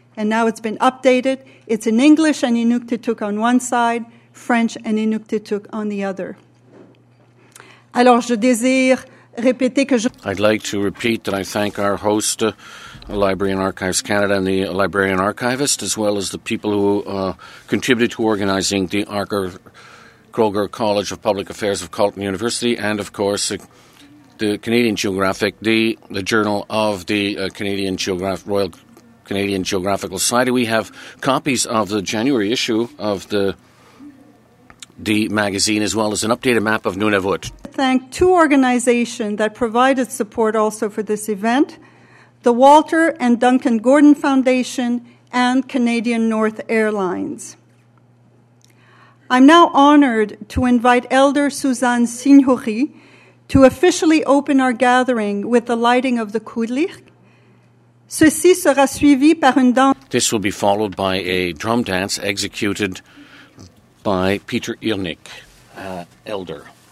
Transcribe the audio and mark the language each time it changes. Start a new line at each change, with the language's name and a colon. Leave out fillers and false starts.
English: And now it's been updated. It's in English and Inuktitut on one side, French and Inuktitut on the other.
French: Alors je désire répéter que je...
English: I'd like to repeat that I thank our host, Library and Archives Canada, and the librarian archivist, as well as the people who contributed to organizing the Arthur Kroger College of Public Affairs of Carleton University, and of course the Canadian Geographic, the journal of the Royal Canadian Geographical Society. We have copies of the January issue of the magazine, as well as an updated map of Nunavut. Thank two organizations that provided support also for this event: the Walter and Duncan Gordon Foundation and Canadian North Airlines. I'm now honored to invite Elder Suzanne Signori to officially open our gathering with the lighting of the Kudlich.
French: Ceci sera suivi par une danse.
English: This will be followed by a drum dance executed by Peter Irnick, Elder.